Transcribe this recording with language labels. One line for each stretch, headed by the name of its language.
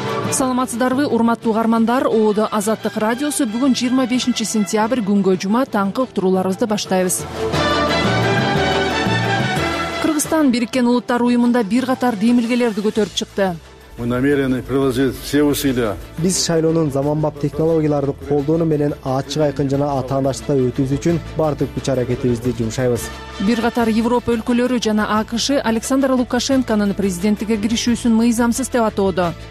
Kyrgyz: Саламатсыздарбы, урматтуу каармандар, ООДО Азаттык радиосу бүгүн 25 сентябрь күнгө жума таңкы уктурууларыбызды баштайбыз. Кыргызстан Бириккен Улуттар Уюмунда бир катар демилгелерди көтөрүп чыкты.
Russian: Мы намерены приложить все усилия.
Kyrgyz: Биз шайлоонун заманбап технологияларды колдонуу менен ачык айкын жана атаандаштыкта өтүүсү үчүн бардык күч аракетибизди жумшайбыз. Бир катар Европа өлкөлөрү жана АКШ Александр Лукашенконун президенттикке киришүүсүн мыйзамсыз деп атоодо.